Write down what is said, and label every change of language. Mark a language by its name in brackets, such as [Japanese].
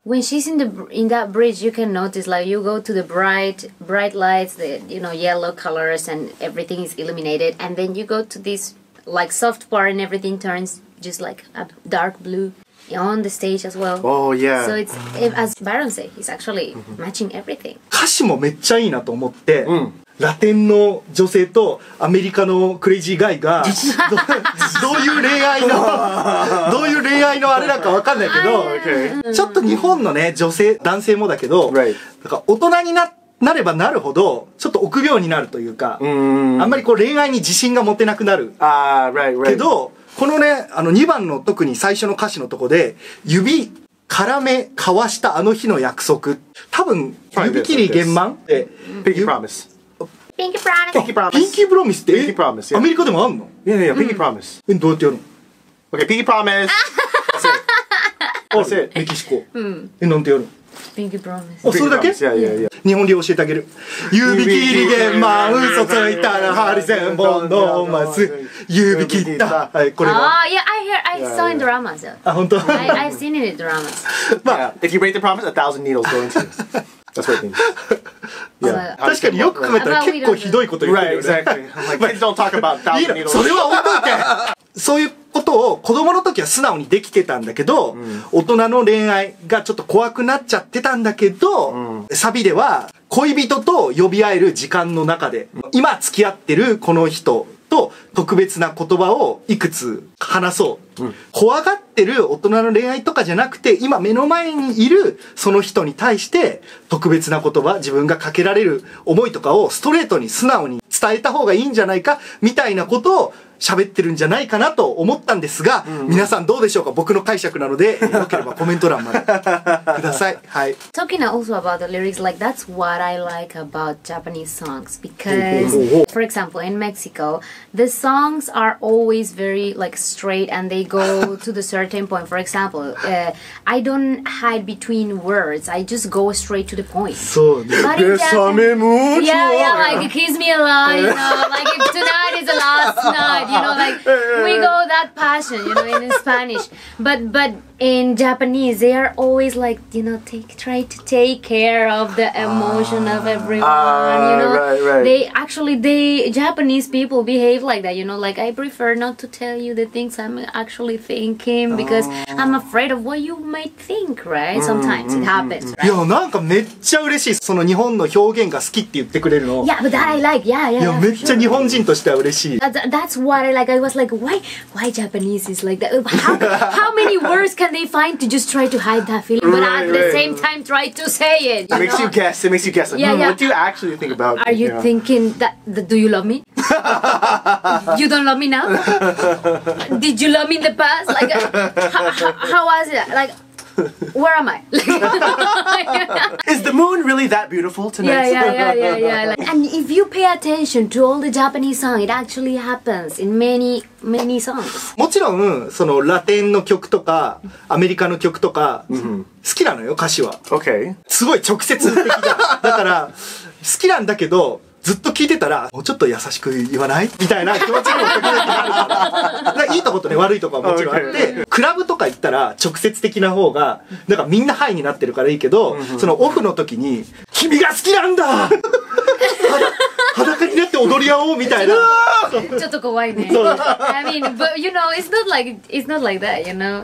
[English] When she's in that bridge, you can notice like you go to the bright lights, the you know yellow colors, and everything is illuminated, and then you go to this like soft part, and everything turns just like a dark blue. On the stage as well. Oh yeah. So it's it, as Baron said, he's actually matching everything. [Japanese] 歌詞もめっちゃいいなと思って、うん、ラテンの女性とアメリカのクレイジーガイがどういう恋愛のどういう恋愛のあれなんかわかんないけど、 [English] okay. [Japanese] ちょっと日本のね女性男性もだけど、 [English] right. [Japanese] だから大人になってなればなるほどちょっと臆病になるというか、うん、あんまりこう恋愛に自信が持てなくなる。 [English] あ、right, right. [Japanese] けどこのねあの2番の特に最初の歌詞のとこで指絡め交わしたあの日の約束、多分指切り幻漫 [English] で、ピンキープロミス、ピンキープロミスって、ピンキープロミス、 [Japanese] アメリカでもあんの？ [English] いやいや、ピンキープロミス、 [Japanese] どうやってやるの？ [English] OK、ピンキープロミス、 [Japanese] オーセー、メキシコ、え、なんてやるの？ [English] ピンキープロミス、 [Japanese] あ、それだけ？いやいやいや、日本流教えてあげる。指切り幻漫、嘘ついたらハリセンボンのマス、指切った、はい、これは。 [English] あ、いや、I heard, I saw in dramas though. [Japanese] あ、本当？ [English] I've seen it in dramas. まあ、if you break the promise, a thousand needles go into you. That's what it means. Yeah. [Japanese] 確かによく考えたら結構ひどいこと言ってるよね。 [English] Right, exactly. Kids don't talk about thousand needles. [Japanese] それは置いといて。そういうことを子供の時は素直にできてたんだけど、うん、大人の恋愛がちょっと怖くなっちゃってたんだけど、うん、サビでは恋人と呼び合える時間の中で今付き合ってるこの人と特別な言葉をいくつ話そう、うん、怖がってる大人の恋愛とかじゃなくて今目の前にいるその人に対して特別な言葉、自分がかけられる思いとかをストレートに素直に伝えた方がいいんじゃないかみたいなことを喋ってるんじゃないかなと思ったんですが、うん、皆さんどうでしょうか。僕の解釈なので、よければコメント欄までください。はい。 [English] Talking also about the lyrics, like that's what I like about Japanese songs because, oh, oh, oh. For example, in Mexico, the songs are always very like straight and they go to the certain point. For example,、I don't hide between words. I just go straight to the point. [Japanese] そうね。 [English] But in Japanese, yeah, yeah, like kiss me a lot, you know, like if tonight is the last night. You know, like, we go that passion, you know, in Spanish. But in Japanese, they are always like, you know, try to take care of the emotion of everyone, you know? Right, right. They actually, they, Japanese people behave like that, you know? Like, I prefer not to tell you the things I'm actually thinking because I'm afraid of what you might think, right? Sometimes it happens, right? [Japanese] いや、なんかめっちゃ嬉しい。その日本の表現が好きって言ってくれるの。 [English] Yeah, but that I like, yeah, yeah. [Japanese] いや、めっちゃ日本人としては嬉しい。 [English] That's what I like. I was like, why Japanese is like that? How many words can they find to just try to hide that feeling, but at the same time try to say it? It makes you guess. It makes you guess. Yeah, what do you actually think about? Are you thinking that do you love me? You don't love me now? Did you love me in the past? Like, how was it? Like, where am I? Is the moon really that beautiful tonight? Yeah. Like, and if you pay attention to all the Japanese songs, it actually happens in many, many songs. [Japanese] もちろん、そのラテンの曲とか、アメリカの曲とか、好きなのよ、歌詞は。 [English] Okay. [Japanese] すごい直接的だ。だから、好きなんだけど、ずっと聞いてたら、もうちょっと優しく言わないみたいな気持ちも時々あるから。いいとことね、悪いとこはもちろんあって、okay. クラブとか行ったら直接的な方が、なんかみんなハイになってるからいいけど、そのオフの時に、君が好きなんだ裸になって踊り合おうみたいな。ちょっと怖いね。 [English] I mean, but you know, it's not like that, you know?